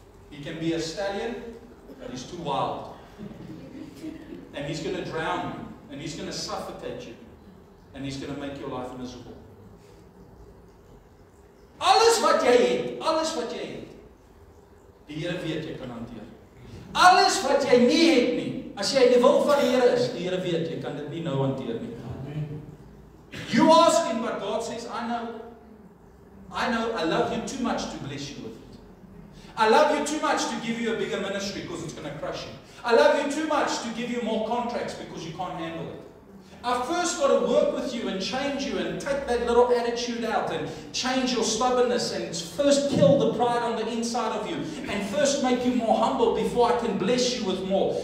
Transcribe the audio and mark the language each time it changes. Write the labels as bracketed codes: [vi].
[en] He can be a stallion, but he's too wild. And he's going to drown you. And he's going to suffocate you. And he's going to make your life miserable. [af] Alles wat jy het, alles wat jy het, die Here weet jy kan hanteer. Alles wat jy nie het nie, as jy die wil van die Here is, die Here weet jy kan dit nie nou hanteer nie. [en] You ask him, but God says, I know, I love you too much to bless you with it. I love you too much to give you a bigger ministry because it's going to crush you. I love you too much to give you more contracts because you can't handle it. I've first got to work with you and change you and take that little attitude out and change your stubbornness and first kill the pride on the inside of you and first make you more humble before I can bless you with more.